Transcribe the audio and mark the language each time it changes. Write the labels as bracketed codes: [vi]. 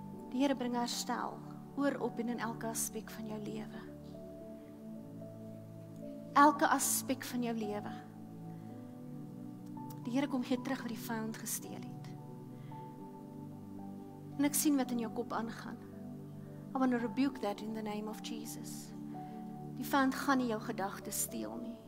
[af] Die Here bring herstel oor op en in elke aspek van jou lewe. Elke aspek van jou lewe. Die Here kom hier terug wat die vyand gesteel het. En ek sien wat in jou kop aangaan. [en] I want to rebuke that in the name of Jesus. [af] Die vyand gaan nie jou gedagtes steel nie.